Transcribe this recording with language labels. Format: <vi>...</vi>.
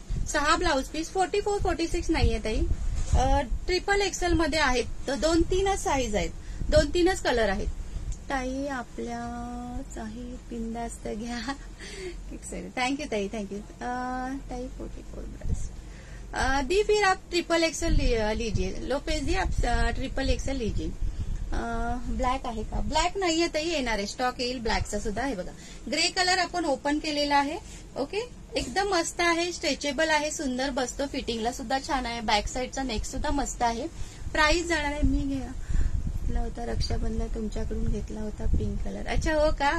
<mr>6 blouse piece 44 46 नाहीये ताई. Triple XL मध्ये आहेत, तर 2-3च साईज आहेत, 2-3च कलर आहेत ताई. आपल्या बिंदास्त घ्या. थँक्यू ताई, थँक्यू ताई. 44 ब्लाऊज</mr> <hi>डी फिर आप ट्रिपल एक्सएल लीजिए, लोपेज दी आप ट्रिपल एक्सएल लीजिए.</hi> <mr>ब्लॅक आहे का? ब्लॅक नाही आहे तरी येणार आहे, स्टॉक येईल ब्लॅकचा सुद्धा आहे. बघा ग्रे कलर आपण ओपन केलेला आहे, ओके एकदम मस्त आहे, स्ट्रेचेबल आहे, सुंदर बसतो, फिटिंगला सुद्धा छान आहे, बॅक साईडचा नेक सुद्धा मस्त आहे. प्राइस जाणार आहे, मी घेतला होता रक्षाबंधन तुमच्याकडून घेतला होता पिंक कलर. अच्छा हो का?</mr>